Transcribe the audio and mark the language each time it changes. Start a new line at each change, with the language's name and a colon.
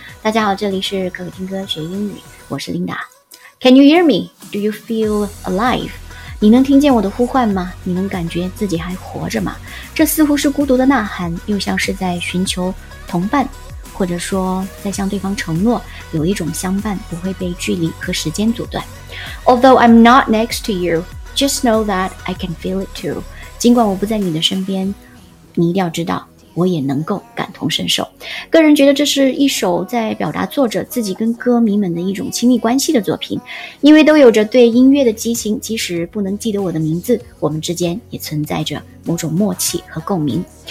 Chinese: 大家好，这里是可可听歌学英语，我是 Linda。
English: Can you hear me? Do you feel alive?
Chinese: 你能听见我的呼唤吗？你能感觉自己还活着吗？这似乎是孤独的呐喊，又像是在寻求同伴，或者说在向对方承诺有一种相伴不会被距离和时间阻断。
English: Although I'm not next to you, just know that I can feel it too.
Chinese: 尽管我不在你的身边，你一定要知道我也能够感同身受。个人觉得这是一首在表达作者自己跟歌迷们的一种亲密关系的作品，因为都有着对音乐的激情，即使不能记得我的名字，我们之间也存在着某种默契和共鸣。